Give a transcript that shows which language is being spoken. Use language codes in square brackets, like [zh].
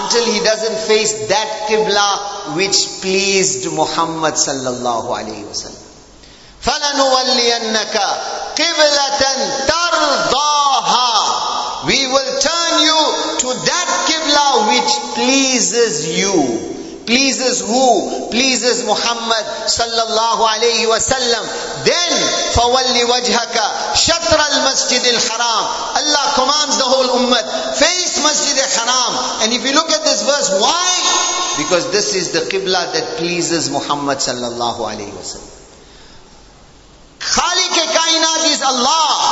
[en] Until he doesn't face that Qibla which pleased Muhammad sallallahu alayhi wa sallam. [ar] فَلَنُوَلِّيَنَّكَ قِبْلَةً تَرْضَاهَا. [en] We will turn you to that Qibla which pleases you. Pleases who? Pleases Muhammad sallallahu alayhi wa sallam. [ar] Then, فَوَلِّ وَجْهَكَ شَطْرَ الْمَسْجِدِ الْحَرَامِ. [en] Allah commands the whole ummah, face Masjid al-Haram. And if you look at this verse, why? Because this is the Qibla that pleases Muhammad sallallahu alayhi wa sallam. [ur] Khaliq-e-Kainat [en] is Allah.